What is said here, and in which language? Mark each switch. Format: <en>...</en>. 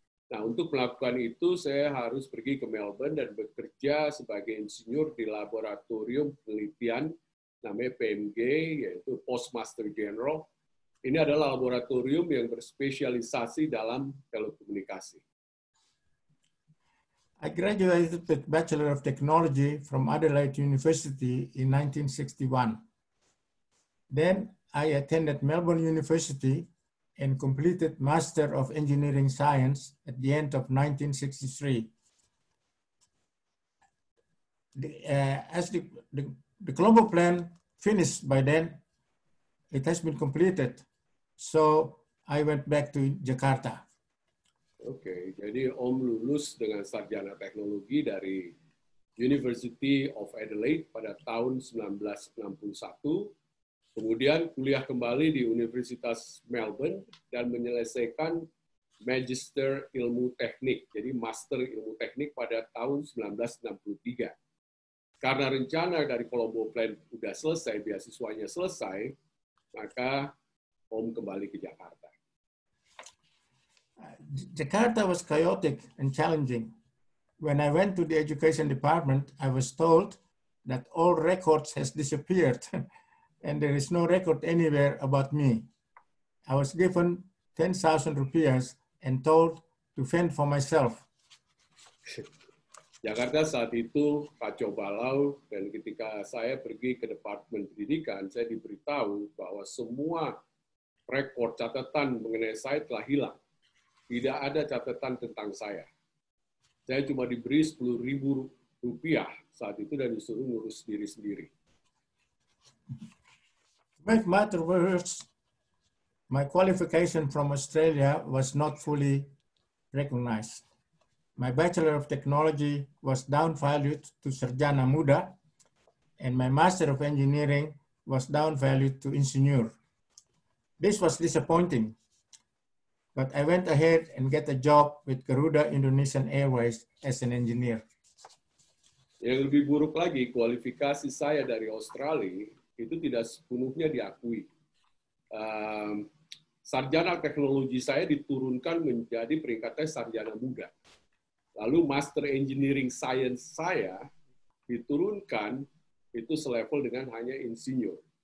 <id>Nah, untuk melakukan itu, saya harus pergi ke Melbourne dan bekerja sebagai insinyur di laboratorium penelitian namanya PMG, yaitu Postmaster General. Ini adalah laboratorium yang berspesialisasi dalam telekomunikasi.</id> <en>I graduated with Bachelor of Technology from Adelaide University in 1961. Then I attended Melbourne University and completed Master of Engineering Science at the end of 1963. As the global plan finished by then, it has been completed. So I went back to Jakarta.</en> <id>Okay, jadi Om lulus dengan sarjana teknologi dari University of Adelaide pada tahun 1961, kemudian kuliah kembali di Universitas Melbourne dan menyelesaikan Magister Ilmu Teknik, jadi Master Ilmu Teknik pada tahun 1963. Karena rencana dari Colombo Plan sudah selesai, beasiswanya selesai, maka Om kembali ke Jakarta.</id> <en>Jakarta was chaotic and challenging. When I went to the education department, I was told that all records has disappeared and there is no record anywhere about me. I was given 10,000 rupiahs and told to fend for myself.</en> <id>Jakarta saat itu kacau balau, dan ketika saya pergi ke Departemen Pendidikan, saya diberitahu bahwa semua rekor catatan mengenai saya telah hilang. Tidak ada catatan tentang saya. Saya cuma diberi 10.000 rupiah saat itu dan disuruh ngurus diri sendiri.</id> <en>To make matter worse, my qualification from Australia was not fully recognized. My Bachelor of Technology was downvalued to Sarjana Muda, and my Master of Engineering was downvalued to Ingenieur. This was disappointing. But I went ahead and get a job with Garuda Indonesian Airways as an engineer.</en> <id>Yang lebih buruk lagi, kualifikasi saya dari Australia itu tidak sepenuhnya diakui. Sarjana teknologi saya diturunkan menjadi peringkatnya sarjana muda. Lalu Master Engineering Science saya diturunkan itu selevel dengan hanya insinyur.</id>